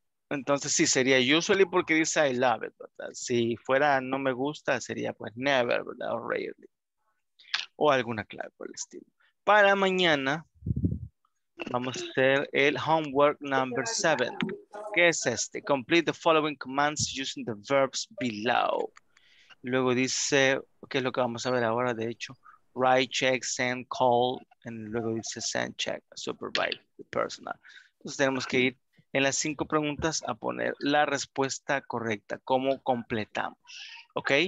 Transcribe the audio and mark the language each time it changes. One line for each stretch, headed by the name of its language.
Spanish: Entonces sí, sería
English: usually
Spanish: porque dice
English: I love it,
Spanish: ¿verdad? Si fuera no me gusta, sería pues
English: never,
Spanish: ¿verdad? O
English: rarely.
Spanish: O alguna clave por el estilo. Para mañana vamos a hacer el
English: homework number 7.
Spanish: ¿Qué es este?
English: Complete the following commands using the verbs below.
Spanish: Luego dice, ¿qué es lo que vamos a ver ahora? De hecho,
English: write, check, send, call, and
Spanish: luego dice
English: send, check, supervise, the personal.
Spanish: Entonces tenemos que ir en las 5 preguntas a poner la respuesta correcta. ¿Cómo completamos? ¿Ok?